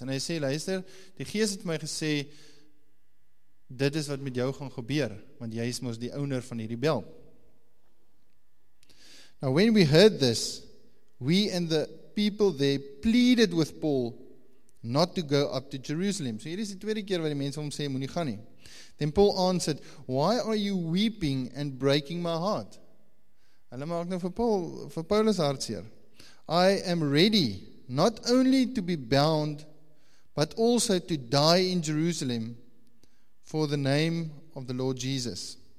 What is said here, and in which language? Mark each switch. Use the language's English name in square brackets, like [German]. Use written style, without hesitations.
[Afrikaans] En hy sê, luister, die gees het my gesê, dit is wat met jou gaan gebeur, want jy is mos die owner van hierdie beeld. [English] Now when we heard this, we and the people there pleaded with Paul not to go up to Jerusalem. [Afrikaans] So hier is die tweede keer wat die mense om sê, moet nie gaan nie. [English] Then Paul answered, why are you weeping and breaking my heart? [Afrikaans] Hulle maak nou vir Paulus hartseer. [English] I am ready not only to be bound, but also to die in Jerusalem for the name of the Lord Jesus.